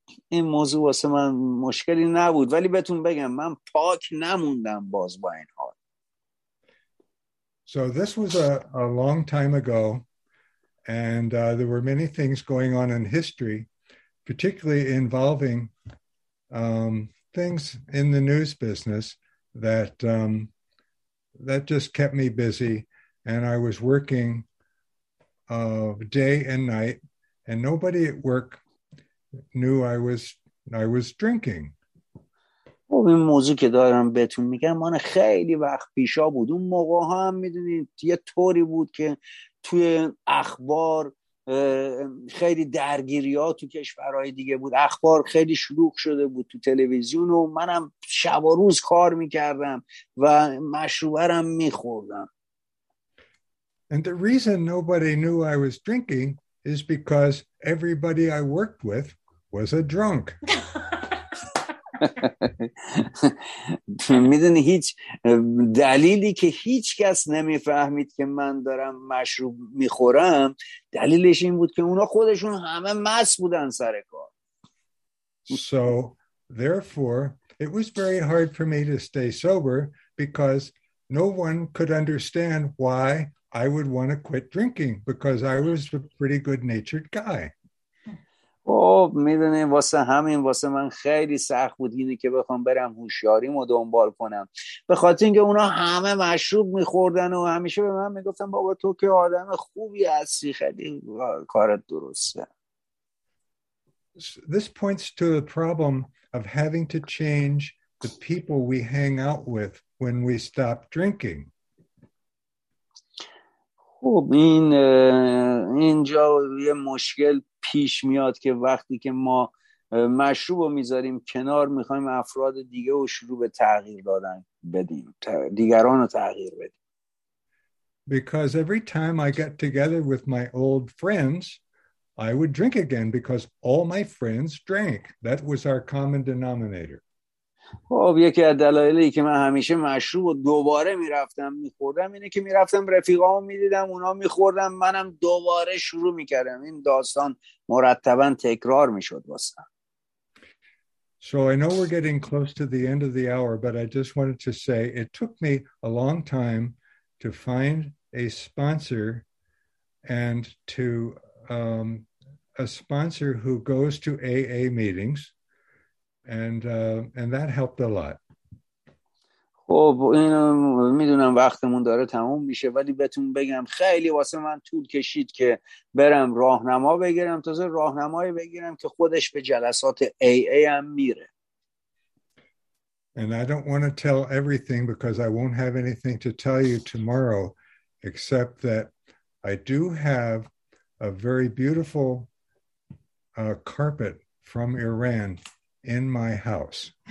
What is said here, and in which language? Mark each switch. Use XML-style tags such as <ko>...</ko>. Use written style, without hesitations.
<fa>این موضوع واسه من مشکلی نبود، ولی بهتون بگم من پاک نموندم باز با این حال.</fa> <en>So this was a long time ago, and there were many things going on in history, particularly involving things in the news business that that just kept me busy, and I was working day and night, and nobody at work knew I was drinking.</en> <fa>خب این موضوع که دارم بهتون میگم من خیلی وقت پیشا بود. اون موقع هم میدونید یه طوری بود که توی اخبار خیلی درگیری ها تو کشورهای دیگه بود، اخبار خیلی شلوغ شده بود تو تلویزیون و منم شب و روز کار میکردم و مشروبم میخوردم.</fa> <en>And the reason nobody knew I was drinking is because everybody I worked with was a drunk.</en> <fa>میدونی هیچ دلیلی که هیچ کس نمیفهمید که من دارم مشروب میخورم، دلیلش این بود که اونا خودشون همه مست بودن سر کار.</fa> <en>So therefore it was very hard for me to stay sober because no one could understand why I would want to quit drinking because I was a pretty good-natured guy.</en> <fa>میدونی واسه همین واسه من خیلی سخت بود اینی که بخوام برم هوشیاریمو دنبال کنم، به خاطر اینکه اونا همه مشروب میخوردن و همیشه به من میگفتن بابا تو که آدم خوبی هستی، خیلی کارت درسته.</fa> <en>This points to the problem of having to change the people we hang out with when we stop drinking.</en> <fa>خب این اینجا یه مشکل پیش میاد که وقتی که ما مشروب رو میذاریم کنار میخوایم افراد دیگه رو شروع به تغییر دادن بدیم، دیگران رو تغییر بدیم.</fa> <en>Because every time I got together with my old friends I would drink again because all my friends drank. That was our common denominator.</en> <fa>خب یکی از دلایلی که من همیشه مشروب و دوباره میرفتم میخوردم اینه که میرفتم رفیقامو میدیدم اونا میخوردم منم دوباره شروع میکردم، این داستان مرتبا تکرار میشد واسم.</fa> <en>So I know we're getting close to the end of the hour but I just wanted to say it took me a long time to find a sponsor and to a sponsor who goes to AA meetings. And that helped a lot.</en> <fa>خب اینو میدونم وقتمون داره تموم میشه ولی بهتون بگم خیلی واسه من طول کشید که برم راهنما بگیرم، تازه راهنمایی بگیرم که خودش به جلسات AA هم میره.</fa> <en>And I don't want to tell everything because I won't have anything to tell you tomorrow except that I do have a very beautiful carpet from Iran in my house.</en>